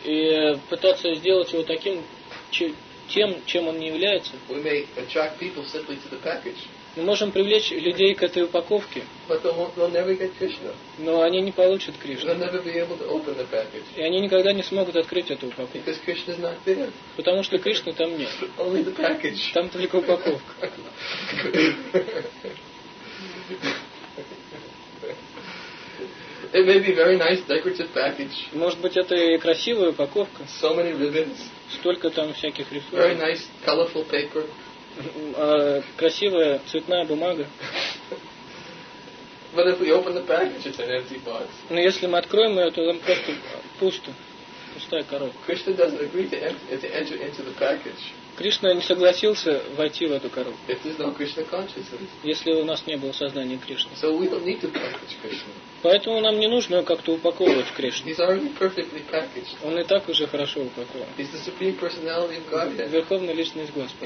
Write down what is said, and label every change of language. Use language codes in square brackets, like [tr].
[ru] И пытаться сделать его таким, тем, чем он не является. [en] We may attract people simply to the package. [ru] Мы можем привлечь людей к этой упаковке. [en] But they'll never get Krishna. [ru] Но они не получат Кришну. [en] They'll never be able to open the package. [ru] И они никогда не смогут открыть эту упаковку. [en] Because Krishna's not there. [ru] Потому что Кришны там нет. [en] Only the package. [ru] Там только упаковка. [en] It may be very nice decorative package. [ru] Может быть, это и красивая упаковка. [en] So many ribbons. [ru] Столько там всяких рисунков. [en] Very nice colorful paper. [ru] Красивая цветная бумага. [en] But if we open the package, it's an empty box. [ru] Но если мы откроем ее, то там просто пусто, пустая коробка. [en] Krishna doesn't agree to enter into the package. [ru] Кришна не согласился войти в эту коробку. [en] If there's no Krishna consciousness. [ru] Если у нас не было сознания Кришны. [en] So we don't need to package Krishna. [ru] Поэтому нам не нужно как-то упаковывать Кришну. [en] He's already perfectly packaged. [ru] Он и так уже хорошо упакован. [en] He's the supreme personality of Godhead. [ru] Верховная личность Господа.